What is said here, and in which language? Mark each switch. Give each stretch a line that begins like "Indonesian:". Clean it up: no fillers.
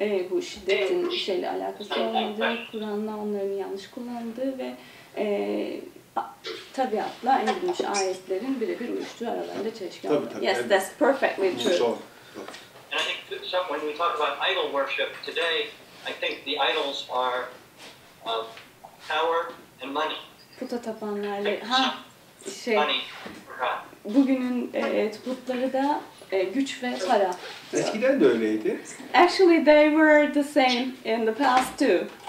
Turkish: bu şiddetin şeyle alakası olmadı, Kur'an'la onların yanlış kullandığı ve tabiatla indirilmiş ayetlerin birebir uyuştuğu aralarında çelişki olmadı.
English: Yes, that's perfectly true. And I think when we talk about idol worship today, I think the idols are of power and money.
Turkish: Puta tapanlarla, ha şey, bugünün putları da güç ve para. Eskiden de öyleydi.
English: Actually, they were the same in the past too.